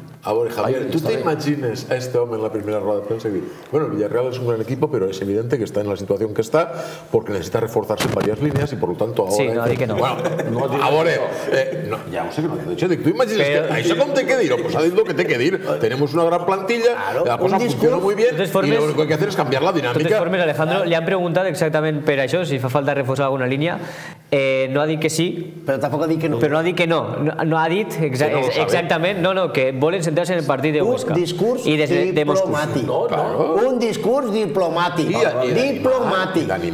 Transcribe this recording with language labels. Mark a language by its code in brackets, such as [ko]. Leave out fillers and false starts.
[ca] A veure, Javier, tu t'imagines a este home en la primera roda de premsa i dir, bueno, Villarreal és un gran equip, però és evident que està en la situació en què està perquè necessita reforçar-se en diverses línies i, per tant, ara... Sí, no, dic que no. A veure, ja ho sé que no t'he dit això, dic, tu imagines que això com té que dir? Pues ha dit el que té que dir. [es] Tenemos una gran plantilla, la cosa funciona muy bien y lo único que hay que hacer es cambiar la dinámica. [ca] De totes formes, Alejandro, li han preguntat exactament per això, si fa falta reforçar alguna línia. No ha dit que sí, però tampoc ha dit que no. Però no ha dit que no, no ha dit exactament, no, que volen centrar-se en el partit de Huesca. Un discurs diplomàtic. Un discurs diplomàtic. Diplomàtic.